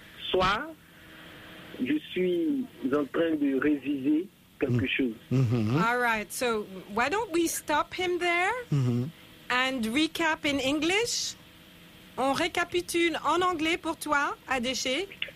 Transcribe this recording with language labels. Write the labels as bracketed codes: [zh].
[fr] Soit je suis en train de réviser quelque mm-hmm. chose. Mm-hmm. [en] All right, so why don't we stop him there mm-hmm. and recap in English? [fr] On récapitule en anglais pour toi, Adéché.